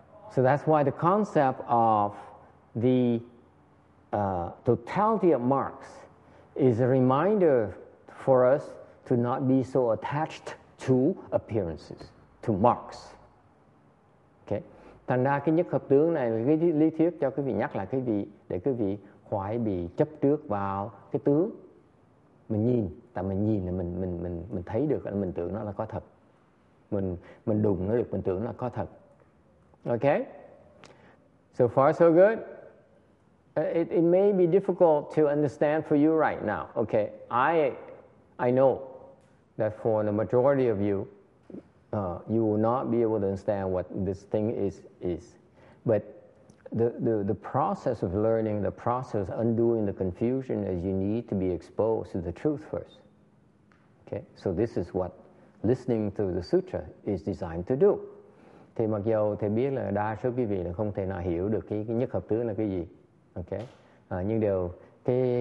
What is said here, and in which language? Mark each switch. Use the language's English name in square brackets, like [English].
[English] So that's why the concept of the totality of marks is a reminder for us to not be so attached to appearances, to marks. Okay? [Vietnamese] Thành ra cái nhất hợp tướng này là cái lý thuyết cho quý vị nhắc lại quý vị để quý vị khỏi bị chấp trước vào cái tướng mình nhìn, tại mình nhìn là mình thấy được, mình tưởng nó là có thật, mình đụng nó được, mình tưởng nó là có thật. [English] Okay, so far so good. It may be difficult to understand for you right now. Okay, I know that for the majority of you, you will not be able to understand what this thing is. But the process of learning, the process of undoing the confusion is you need to be exposed to the truth first. Okay, so this is what listening to the sutra is designed to do. [Vietnamese] Thì mặc dù thầy biết là đa số quý vị là không thể nào hiểu được cái nhất hợp tướng là cái gì, okay, nhưng điều cái